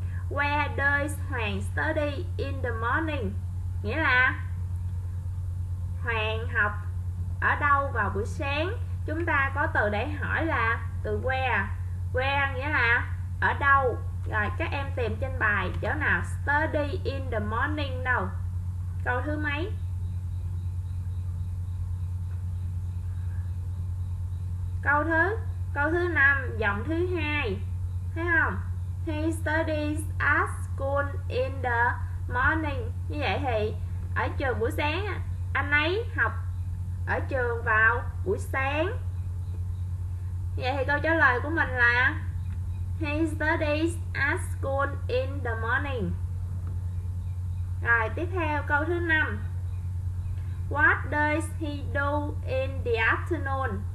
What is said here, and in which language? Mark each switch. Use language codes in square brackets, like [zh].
[en] Where does Hoàng study in the morning? [vi] Nghĩa là Hoàng học ở đâu vào buổi sáng? Chúng ta có từ để hỏi là từ where. Where nghĩa là ở đâu. Rồi các em tìm trên bài chỗ nào [en] study in the morning [vi] đâu? Câu thứ mấy? Câu thứ 5, giọng thứ hai. Thấy không? [en] He studies at school in the morning. [vi] Như vậy thì ở trường buổi sáng, anh ấy học ở trường vào buổi sáng. Vậy thì câu trả lời của mình là [en] He studies at school in the morning. [vi] Rồi tiếp theo câu thứ 5, [en] What does he do in the afternoon?